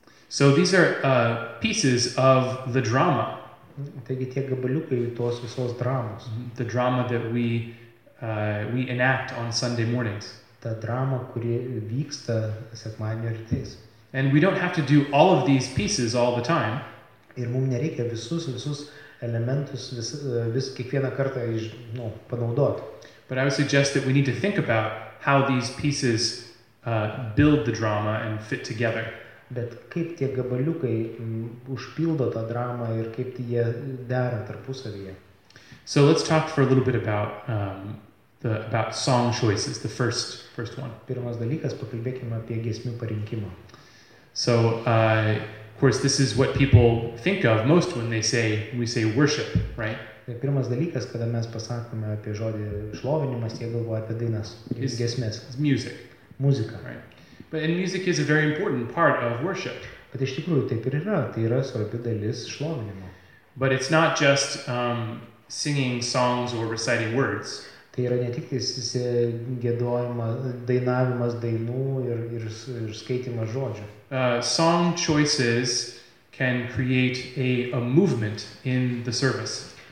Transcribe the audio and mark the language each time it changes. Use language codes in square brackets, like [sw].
[en] So these are pieces of the drama. [lt] Taigi tie gabaliukai tos visos dramos. [en] The drama that we enact on Sunday mornings. [lt] Ta drama, kuri vyksta sekmadienio rytais. [en] And we don't have to do all of these pieces all the time. [lt] Ir mum nereikia visus elementus vis kiekvieną kartą panaudoti. [en] But I would suggest that we need to think about how these pieces build the drama and fit together. [lt] Bet kaip tie gabaliukai užpildo tą dramą ir kaip jie dera tarpusavyje. [en] So let's talk for a little bit about song choices, the first one. [lt] Pirmas dalykas, pakalbėkime apie giesmių parinkimą. [en] So of course this is what people think of most when we say worship, right? [lt] Pirmas dalykas, kada mes pasakome apie žodį šlovinimas, jie galvoja apie dainas, giesmes. [en] It's music. [lt] Muzika. [en] Right. But and music is a very important part of worship. [lt] Bet iš tikrųjų taip ir yra, tai yra svarbi dalis šlovinimo. [en] But it's not just singing songs or reciting words. [lt] Tai yra ne tik giedojimas, dainavimas dainų ir skaitimas žodžių. [en] Song choices can create a movement in the service.